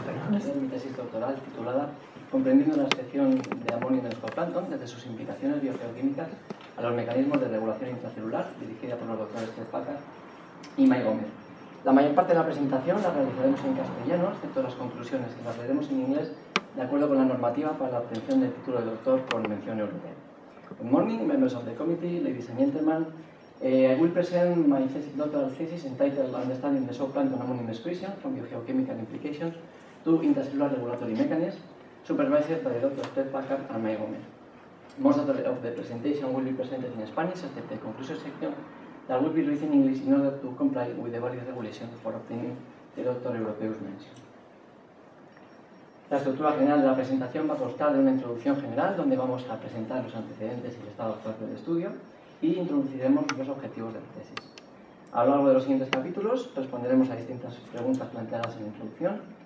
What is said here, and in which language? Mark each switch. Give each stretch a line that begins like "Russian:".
Spanish: Mi tesis doctoral titulada Comprendiendo la excreción de amonio en el zooplancton desde sus implicaciones biogeoquímicas a los mecanismos de regulación intracelular, dirigida por los doctores Ted Packard y Mai Gómez. La mayor parte de la presentación la realizaremos en castellano, excepto las conclusiones, que las leeremos en inglés de acuerdo con la normativa para la obtención del título de doctor por mención europea.
English: Good morning, members of the committee, ladies and gentlemen. I will present my thesis, doctoral thesis entitled Understanding the Zooplankton Ammonium Excretion from Biogeochemical Implications to Intracellular Regulatory Mechanisms, supervised by Dr. Ted Packard and Mai Gómez. Most of the presentation will be presented in Spanish, except the conclusion section that will be written in English in order to comply with the various regulations for obtaining the Dr. Europeus mention.
Spanish: La estructura general de la presentación va a constar de una introducción general donde vamos a presentar los antecedentes y el estado actual del estudio y introduciremos los objetivos de la tesis. A lo largo de los siguientes capítulos responderemos a distintas preguntas planteadas en la introducción.